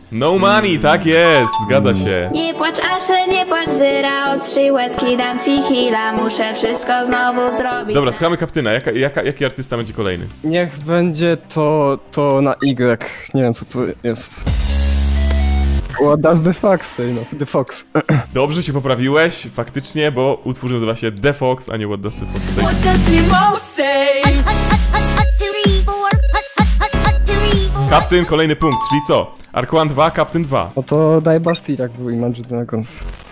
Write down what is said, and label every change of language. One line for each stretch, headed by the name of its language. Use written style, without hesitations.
English: No money,
Polish: tak jest, zgadza się. Nie płacz Asze, nie płacz Zyra, o trzy łezki dam ci heala, muszę wszystko znowu zrobić. Dobra, słuchamy Kaptyna, jaki artysta będzie kolejny? Niech będzie to na Y, nie wiem co to jest.
English: What does the fox say, no, the fox.
Polish: Dobrze się poprawiłeś, faktycznie, bo utwór nazywa się The Fox, a nie What does the fox say.
English: What does the fox say?
Polish: Kaptyn, kolejny punkt, czyli co? Arcoan 2, Kaptyn 2. No to daj Bastille, jak był Imagine Dragons.